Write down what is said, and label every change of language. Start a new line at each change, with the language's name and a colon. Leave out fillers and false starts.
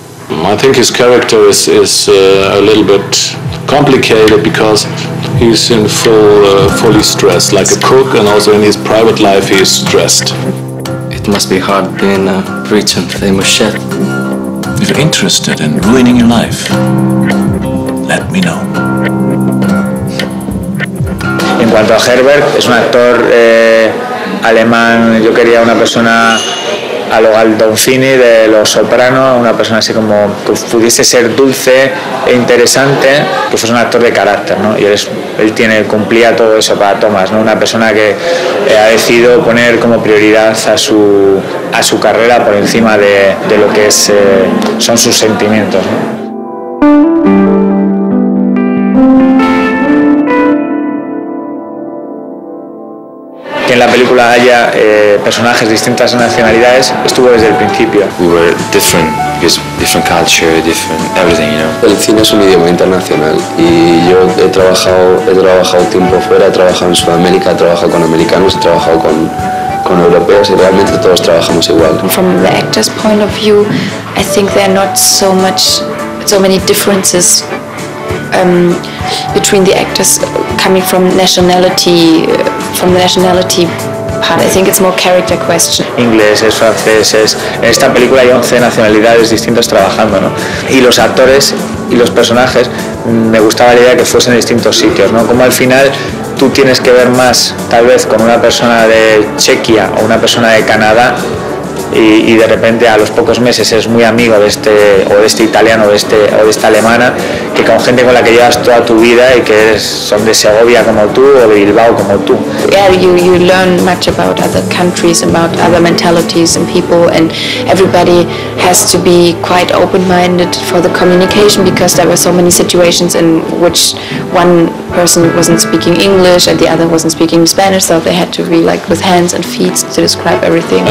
English: I think his character is a little bit complicated because he's in fully stressed, like a cook, and also in his private life he's stressed. It must be hard being a rich and famous chef. If you're interested in ruining your life, let me know.
Spanish: En cuanto a Herbert, es un actor alemán. Yo quería una persona a lo Gandolfini de Los Soprano, una persona así como que pudiese ser dulce e interesante, que fuese un actor de carácter, ¿no? Y él cumplía todo eso para Thomas, ¿no? Una persona que ha decidido poner como prioridad a su carrera por encima de lo que son sus sentimientos, ¿no? Que en la película haya personajes de distintas nacionalidades estuvo desde el principio.
English: We were different because different culture, different everything, you know.
Spanish: El cine es un idioma internacional y yo he trabajado tiempo fuera, he trabajado en Sudamérica, he trabajado con americanos, he trabajado con europeos y realmente todos trabajamos igual.
English: From the actor's point of view, I think there are not so many differences between the actors coming from nationality. From the nationality part, I think it's more character question.
Spanish: Ingleses, franceses. En esta película hay 11 nacionalidades distintas trabajando, ¿no? Y los actores y los personajes, me gustaba la idea que fuesen distintos sitios, ¿no? Como al final tú tienes que ver más, tal vez, con una persona de Chequia o una persona de Canadá y de repente a los pocos meses es muy amigo de este o de este italiano o de esta alemana, que con gente con la que llevas toda tu vida y que son de Segovia como tú o de Bilbao como tú.
English: Yeah, you learn much about other countries, about other mentalities and people, and everybody has to be quite open-minded for the communication because there were so many situations in which one person wasn't speaking English and the other wasn't speaking Spanish, so they had to be like with hands and feet to describe everything.